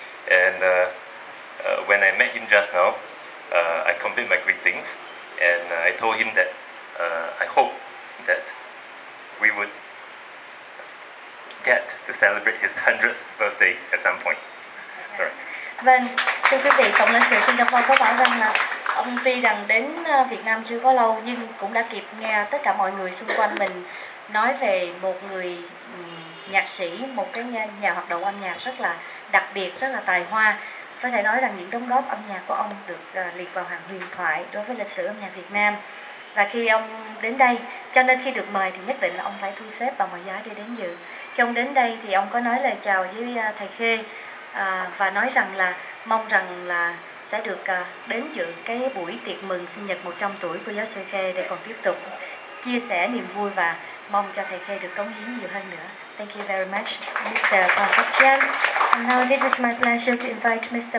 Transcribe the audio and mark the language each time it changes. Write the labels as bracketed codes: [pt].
[en] And when I met him just now, I conveyed my greetings, and I told him that I hope that we would get to celebrate his 100th birthday at some point. Okay. All right. [vi] Vâng, thưa quý vị, Tổng lãnh sự Singapore có bảo rằng là ông tuy rằng đến Việt Nam chưa có lâu, nhưng cũng đã kịp nghe tất cả mọi người xung quanh mình nói về một người nhạc sĩ, một cái nhà hoạt động âm nhạc rất là đặc biệt, rất là tài hoa. Có thể nói rằng những đóng góp âm nhạc của ông được liệt vào hàng huyền thoại đối với lịch sử âm nhạc Việt Nam. Và khi ông đến đây, cho nên khi được mời thì nhất định là ông phải thu xếp bằng mọi giá để đến dự. Khi ông đến đây thì ông có nói lời chào với thầy Khê và nói rằng là mong rằng là sẽ được đến dự cái buổi tiệc mừng sinh nhật 100 tuổi của giáo sư Khê để còn tiếp tục chia sẻ niềm vui và mong cho thầy Khê được cống hiến nhiều hơn nữa. [en] Thank you very much, Mr. Hong Kok Chien. And now this is my pleasure to invite Mr.